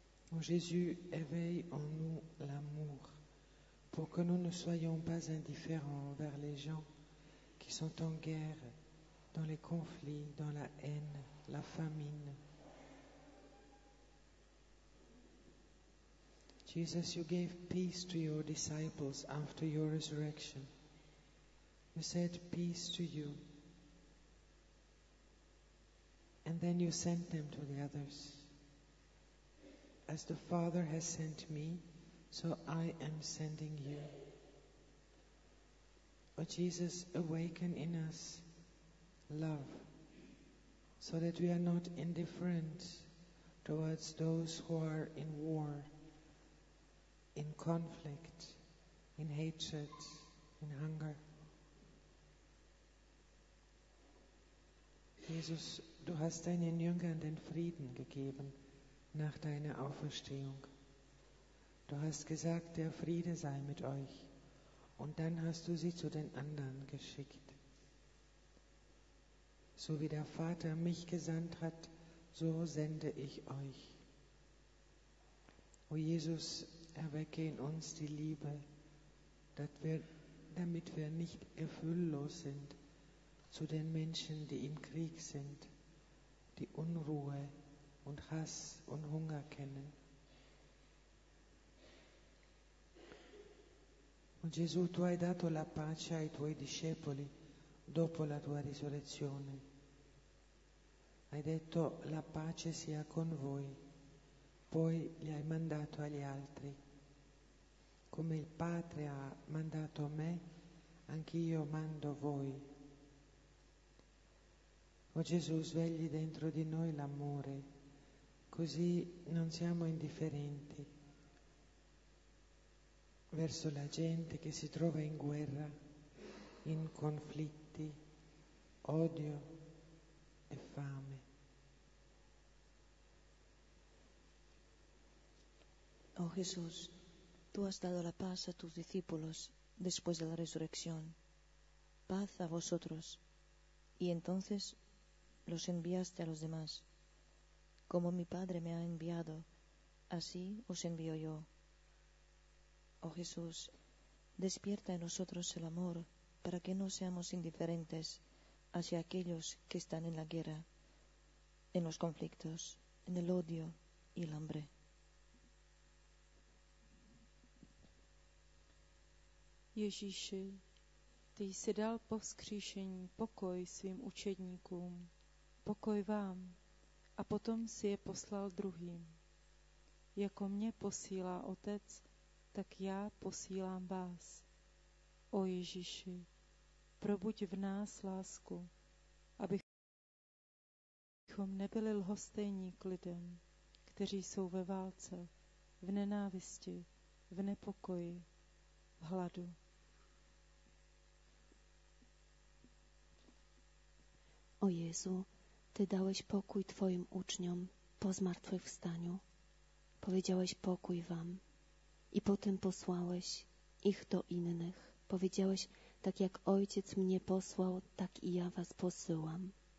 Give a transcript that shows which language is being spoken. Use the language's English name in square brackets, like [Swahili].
[French] Donc Jésus, éveille en nous l'amour pour que nous ne soyons pas indifférents envers les gens qui sont en guerre, dans les conflits, dans la haine, la famine. [English] Jesus, you gave peace to your disciples after your resurrection. You said peace to you. And then you sent them to the others. As the Father has sent me, so I am sending you. Oh Jesus, awaken in us love, so that we are not indifferent towards those who are in war, in conflict, in hatred, in hunger. [German] Jesus, du hast deinen Jüngern den Frieden gegeben nach deiner Auferstehung. Du hast gesagt, der Friede sei mit euch, und dann hast du sie zu den anderen geschickt. So wie der Vater mich gesandt hat, so sende ich euch. O Jesus, erwecke in uns die Liebe, damit wir nicht gefühllos sind zu den Menschen, die im Krieg sind, die Unruhe und Hass und Hunger kennen. Und [Italian] Jesus, tu hai dato la pace ai tuoi discepoli dopo la tua risurrezione. Hai detto la pace sia con voi, poi li hai mandato agli altri. Come il Padre ha mandato me, anch'io mando voi. O Gesù, svegli dentro di noi l'amore, così non siamo indifferenti verso la gente che si trova in guerra, in conflitti, odio e fame. [Spanish] Oh Jesús, tú has dado la paz a tus discípulos después de la resurrección. Paz a vosotros. Y entonces los enviaste a los demás. Como mi Padre me ha enviado, así os envío yo. Oh Jesús, despierta en nosotros el amor para que no seamos indiferentes hacia aquellos que están en la guerra, en los conflictos, en el odio y el hambre. [Czech] Ježíši, ty jsi dal po vzkříšení pokoj svým učedníkům, pokoj vám, a potom si je poslal druhým. Jako mě posílá Otec, tak já posílám vás. O Ježíši, probuď v nás lásku, abychom nebyli lhostejní k lidem, kteří jsou ve válce, v nenávisti, v nepokoji, v hladu. [Polish] O Jezu, Ty dałeś pokój Twoim uczniom po zmartwychwstaniu. Powiedziałeś pokój Wam i potem posłałeś ich do innych. Powiedziałeś, tak jak Ojciec mnie posłał, tak i ja Was posyłam.